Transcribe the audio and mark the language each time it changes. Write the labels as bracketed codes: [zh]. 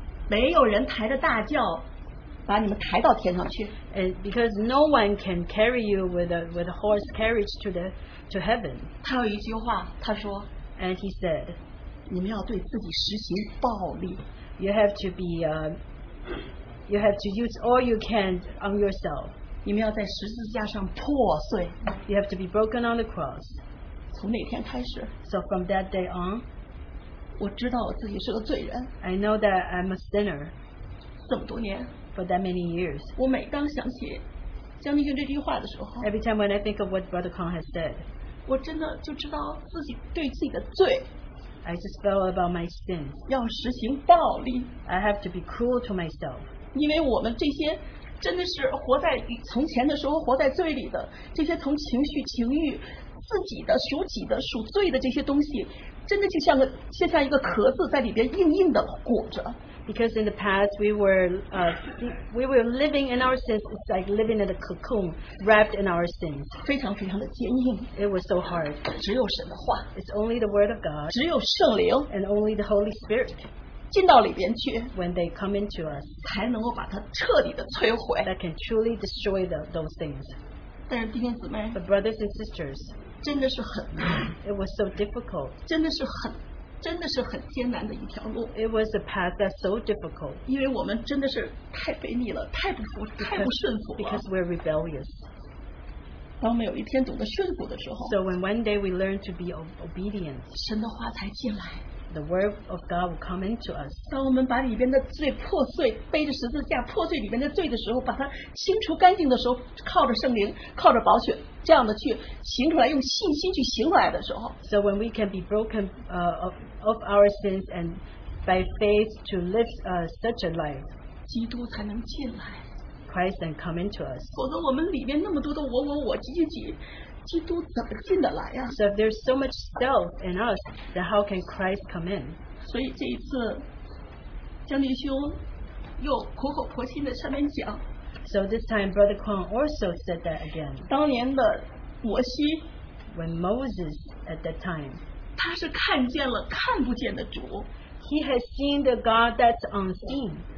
[zh] 没有人抬着大轿把你们抬到天上去。 [en] And because no one can carry you with a horse carriage to heaven. [zh] 他有一句话，他说。 [en] And he said, [zh] 你们要对自己实行暴力。 [en] You have to be, you have to use all you can on yourself. [zh] 你们要在十字架上破碎。 [en] You have to be broken on the cross. [zh] 从哪天开始 [en] ？So from that day on, [zh] 我知道我自己是个罪人。 [en] I know that I'm a sinner. [zh] 这么多年 [en] ，for that many years. [zh] 我每当想起江弟兄这句话的时候 [en] ，every time when I think of what Brother Kong has said, [zh] 我真的就知道自己对自己的罪。 [en] I just felt about my sins. [zh] 要实行暴力。 [en] I have to be cruel to myself. [zh] 因为我们这些。真的是活在从前的时候活在罪里的这些从情绪情欲自己的属己的属罪的这些东西真的就像个就像一个壳子在里边硬硬的裹着。 [en] Because in the past we were living in our sins, it's like living in a cocoon wrapped in our sins. [zh] 非常非常的坚硬。 [en] It was so hard. [zh] 只有神的话。 [en] It's only the word of God. [zh] 只有圣灵。 [en] And only the Holy Spirit. [zh] 进到里边去 [en] when they come into us, [zh] 才能够把它彻底的摧毁 [en] that can truly destroy those things. [zh] 但是弟兄姊妹 [en] but brothers and sisters, [zh] 真的是很难 [en] it was so difficult. [zh] 真的是很艰难的一条路 [en] it was a path that's so difficult. [zh] 因为我们真的是太悖逆了太不服太不顺服了 [en] because we're rebellious. [zh] 当我们有一天懂得顺服的时候 [en] so when one day we learn to be obedient, [zh] 神的话才进来 [en] the word of God will come into us. [zh] 当我们把里边的罪破碎，背着十字架，破碎里边的罪的时候，把它清除干净的时候， 靠着圣灵，靠着宝血，这样的去行出来，用信心去行出来的时候。 [en] So when we can be broken of our sins and by faith to live such a life, [zh] 基督才能进来。 [en] Christ and come into us. [zh] 否则我们里面那么多的我我我自己。基督怎么进得来啊? [en] So if there's so much self in us, then how can Christ come in? [zh] 所以这一次江立兄又苦口婆心地上面讲, [en] so this time Brother Kwong also said that again. [zh] 当年的摩西, [en] when Moses at that time, [zh] 他是看见了看不见的主, [en] he has seen the God that's unseen.